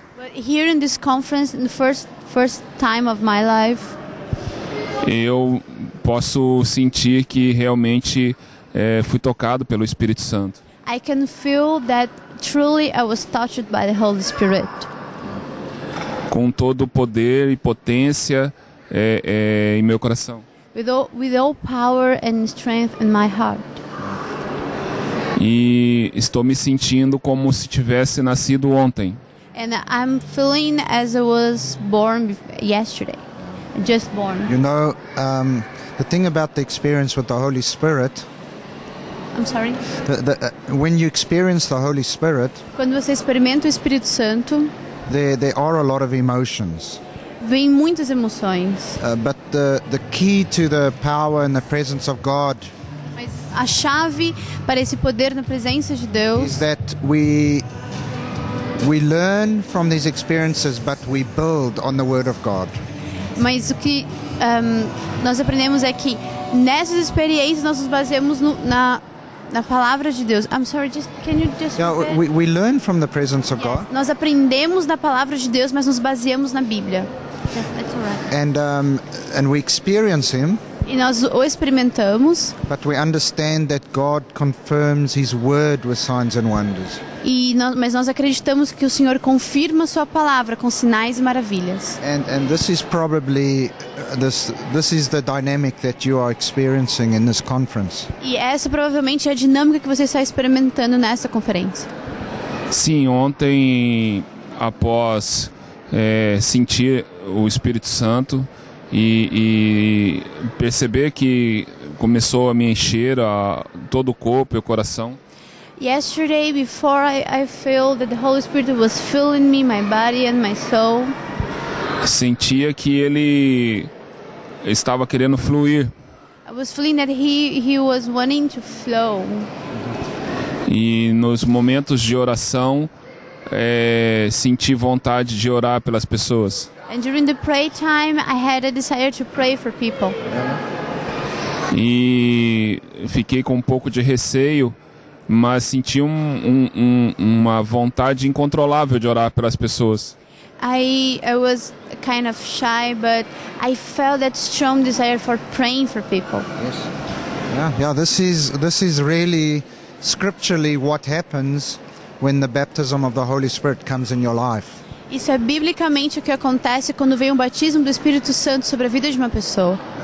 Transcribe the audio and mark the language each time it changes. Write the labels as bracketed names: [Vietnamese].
[English] but here in this conference, in the first time of my life, [Portuguese] eu posso sentir que realmente fui tocado pelo Espírito Santo. [English] I can feel that truly I was touched by the Holy Spirit. [Portuguese] Com todo o poder e potência em meu coração. [English] With all power and strength in my heart. [Portuguese] E estou me sentindo como se tivesse nascido ontem. [English] And I'm feeling as I was born yesterday, just born. You know, the thing about the experience with the Holy Spirit. I'm sorry? When you experience the Holy Spirit. [Portuguese] Quando você experimenta o Espírito Santo. [English] There are a lot of emotions. [Portuguese] Vêm muitas emoções. [English] But the key to the power and the presence of God. [Portuguese] Mas a chave para esse poder na presença de Deus. [English] Is that we learn from these experiences, but we build on the Word of God. [Portuguese] Mas o que nós aprendemos é que nessas experiências nós nos baseamos na palavra de Deus. [English] I'm sorry, we learn from the presence of God. [Portuguese] Nós aprendemos da palavra de Deus, mas nos baseamos na Bíblia. [English] And we experience Him. [Portuguese] E nós o experimentamos. [English] But we understand that God confirms His Word with signs and wonders. [Portuguese] Mas nós acreditamos que o Senhor confirma a sua palavra com sinais e maravilhas. [English] And this is probably this is the dynamic that you are experiencing in this conference. [Portuguese] E essa provavelmente é a dinâmica que você está experimentando nessa conferência. Sim, ontem após sentir o Espírito Santo e perceber que começou a me encher todo o corpo e o coração. [English] Yesterday, before I felt that the Holy Spirit was filling me, my body and my soul. [Portuguese] Sentia que ele estava querendo fluir. [English] I was feeling that he was wanting to flow. [Portuguese] E nos momentos de oração, senti vontade de orar pelas pessoas. [English] And during the prayer time, I had a desire to pray for people. [Portuguese] E fiquei com um pouco de receio. Mas senti uma vontade incontrolável de orar pelas pessoas. [English] I was kind of shy, but I felt that strong desire for praying for people. Yes. Yeah, this is really scripturally what happens when the baptism of the Holy Spirit comes in your life. [Portuguese] Isso é biblicamente o que acontece quando vem um batismo do Espírito Santo sobre a vida de uma pessoa.